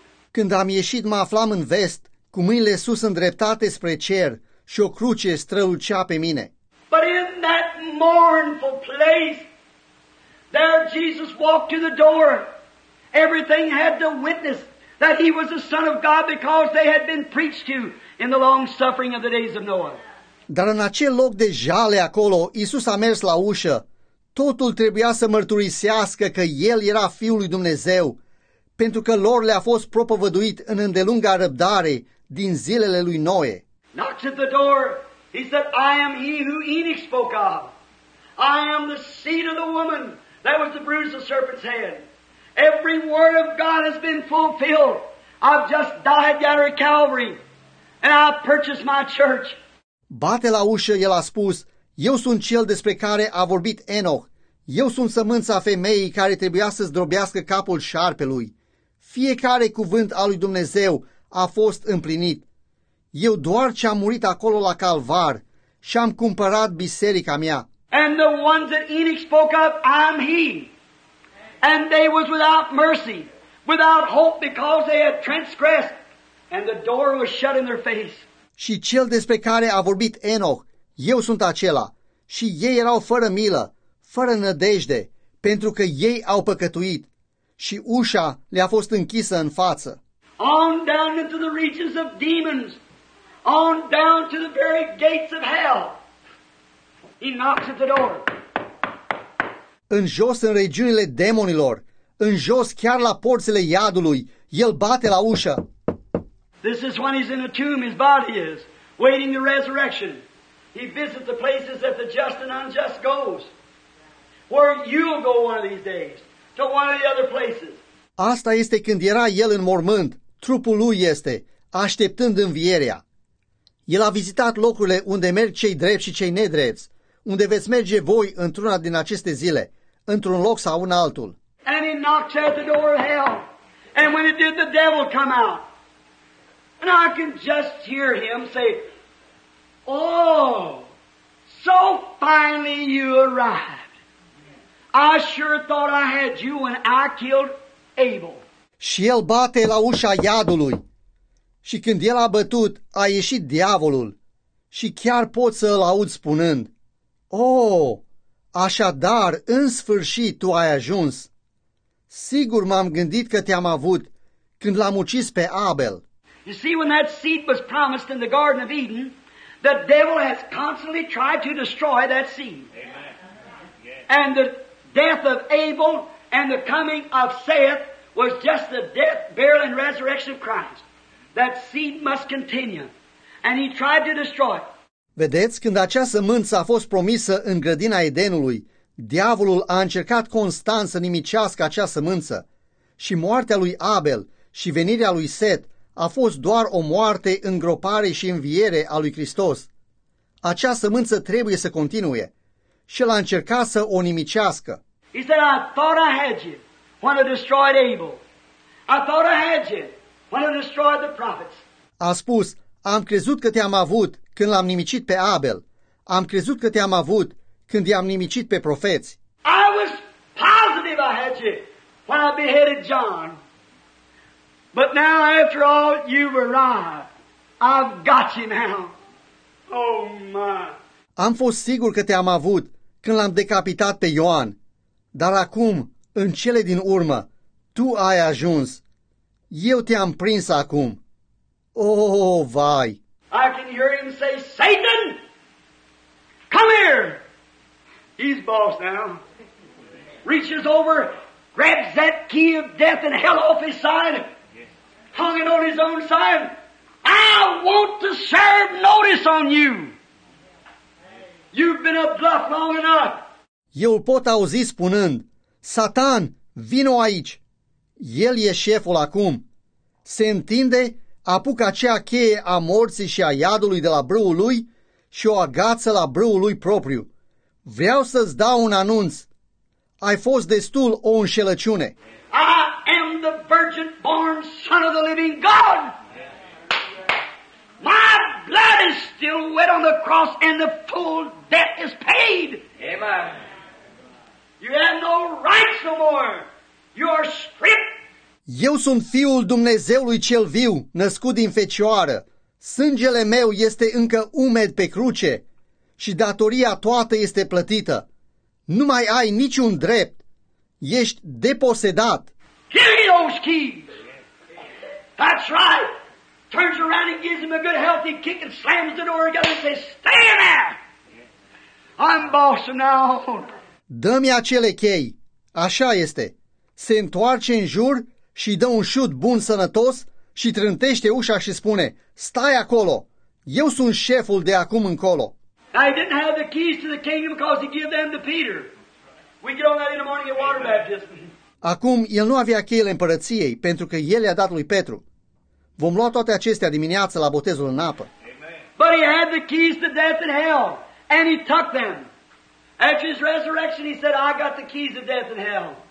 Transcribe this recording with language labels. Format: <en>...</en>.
<ro>Când am ieșit, mă aflam în vest, cu mâinile sus îndreptate spre cer și o cruce strălucea pe mine.</ro> <en>But in that mournful place, there Jesus walked to the door. Everything had to witness that He was the Son of God because they had been preached to in the long suffering of the days of Noah.</en> <ro>Dar în acel loc de jale acolo, Iisus a mers la ușă. Totul trebuia să mărturisească că El era Fiul lui Dumnezeu, pentru că lor le-a fost propovăduit în îndelunga răbdare din zilele lui Noe.</ro> <en>Knocked at the door. He said, I am he who Enoch spoke of. I am the seed of the woman that was the bruise of the serpent's head. Every word of God has been fulfilled. I've just died down at Calvary and I've purchased my church.</en> <ro>Bate la ușă, El a spus, Eu sunt Cel despre care a vorbit Enoch. Eu sunt sămânța femeii care trebuia să zdrobească capul șarpelui. Fiecare cuvânt al lui Dumnezeu a fost împlinit. Eu doar ce am murit acolo la Calvar și am cumpărat biserica mea.</ro> <en>And the ones that Enoch spoke of, I'm he. And they was without mercy, without hope because they had transgressed. And the door was shut in their face.</en> <ro>Și cel despre care a vorbit Enoch, eu sunt acela, și ei erau fără milă, fără nădejde, pentru că ei au păcătuit, și ușa le-a fost închisă în față.</ro> <en>On down into the reaches of demons, on down to the very gates of hell, he knocks at the door.</en> <ro>În jos în regiunile demonilor, în jos chiar la porțile iadului, el bate la ușă.</ro> <en>This is when he's in a tomb, his body is, waiting the resurrection. He visits the places that the just and unjust goes, where you'll go one of these days, to one of the other places.</en> <ro>Asta este când era el în mormânt, trupul lui este, așteptând învierea. El a vizitat locurile unde merg cei drepți și cei nedrepți, unde veți merge voi într-una din aceste zile, într-un loc sau în altul.</ro> <en>And he knocked at the door of hell, and when it did, the devil come out. And I can just hear him say, Oh, so finally you arrived. I sure thought I had you when I killed Abel.</en> <ro>Și el bate la ușa iadului. Și când el a bătut, a ieșit diavolul. Și chiar pot să îl aud spunând, Oh, așadar, în sfârșit tu ai ajuns. Sigur m-am gândit că te-am avut când l-am ucis pe Abel.</ro> <en>You see, when that seed was promised in the Garden of Eden, the devil has constantly tried to destroy that seed. Amen. And the death of Abel and the coming of Seth was just the death, burial, and resurrection of Christ. That seed must continue. And he tried to destroy it.</en> <ro>Vedeți, când acea sămânță a fost promisă în grădina Edenului, diavolul a încercat constant să nimicească acea sămânță. Și moartea lui Abel și venirea lui Seth a fost doar o moarte, îngropare și înviere a lui Hristos. Acea sămânță trebuie să continue. Și el a încercat să o nimicească.</ro> <en>He said, I thought I had you when I destroyed Abel. I thought I had you when I destroyed the prophets.</en> <ro>A spus, am crezut că te-am avut când l-am nimicit pe Abel. Am crezut că te-am avut când i-am nimicit pe profeți.</ro> <en>I was positive I had you when I beheaded John. But now, after all, you've arrived. I've got you now. Oh, my.</en> <ro>Am fost sigur că te-am avut când l-am decapitat pe Ioan. Dar acum, în cele din urmă, tu ai ajuns. Eu te-am prins acum. Oh, vai.</ro> <en>I can hear him say, Satan, come here. He's boss now. Reaches over, grabs that key of death and hell off his side. Hanging on his own side, I want to serve notice on you. You've been a bluff long enough.</en> <ro>Eu îl pot auzi spunând, Satan, vino aici. El e șeful acum. Se întinde, apucă acea cheie a morții și a iadului de la brâul lui și o agață la brâul lui propriu. Vreau să-ți dau un anunț. Ai fost destul o înșelăciune.</ro> <en>I am the virgin born son of the living God. My blood is still wet on the cross and the full debt is paid. Amen. You have no rights no more. You are stripped.</en> <ro>Eu sunt fiul Dumnezeului cel viu, născut din fecioară. Sângele meu este încă umed pe cruce. și datoria toată este plătită. Nu mai ai niciun drept. Ești deposedat.</ro> <en>Give me those keys. That's right. Turns around and gives him a good healthy kick and slams the door again and says, stay in there. I'm boss now.</en> <ro>Dă-mi acele chei. Așa este. Se întoarce în jur și dă un șut bun sănătos și trântește ușa și spune, stai acolo. Eu sunt șeful de acum încolo.</ro> <en>I didn't have the keys to the kingdom because he gave them to Peter. We get on that in the morning at water baptism.</en> <ro>Acum, el nu avea cheile împărăției, pentru că el i-a dat lui Petru. Vom lua toate acestea dimineață la botezul în apă.</ro> <en>But he had the keys to death and hell, and he took them. At his resurrection, he said, I got the keys to death and hell.</en>